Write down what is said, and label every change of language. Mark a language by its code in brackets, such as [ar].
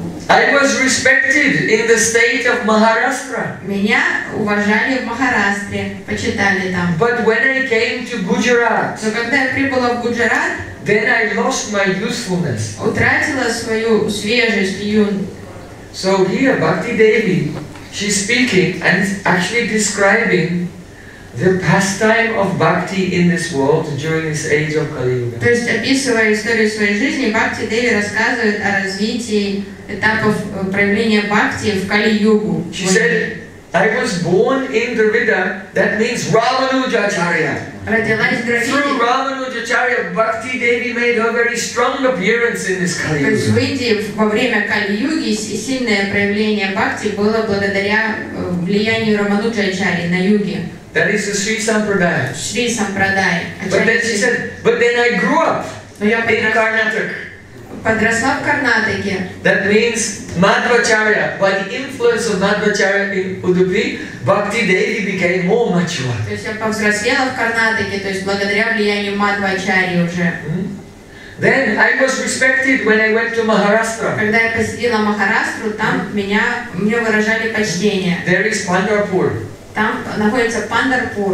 [en] I was respected in the state of Maharashtra. [ru] Меня уважали в Махарастре, почитали там. [en] But when I came to Gujarat, [ru] но когда я прибыла в Гуджарат, [en] then I lost my youthfulness. [ru] Утратила свою свежесть, юность. [en] So here, Bhakti Devi, she's speaking and actually describing the pastime of bhakti in this world during this age of Kali Yuga. [ru] То есть, описывая историю своей жизни, Бхакти Деви рассказывает о развитии этапов проявления бхакти в Кали-югу. [en] She said, "I was born in Dravida. That means Ramanujacharya. [ru] Родилась в Дравиде. [en] Through Ramanujacharya, Bhakti Devi made her very strong appearance in this Kali Yuga. [ru] То есть, в Индии во время Кали-юги сильное проявление бхакти было благодаря влиянию Рамануджачарьи на юге. [en] That is the Sri Sampradaya. Sri Sampradaya. But then she said, "But then I grew up in Karnataka." [ru] Подросла в Карнатаке. [en] That means Madhvacharya. By the influence of Madhvacharya in Udupi, Bhakti Devi became more mature. [ru] То есть я повзрослела в Карнатаке, то есть благодаря влиянию Мадхвачарьи уже. [en] Then I was respected when I went to Maharashtra. [ru] Когда я посетила Махарастру, там мне выражали почтение. [en] There is Pandharpur. [ru] Там находится Пандарпур.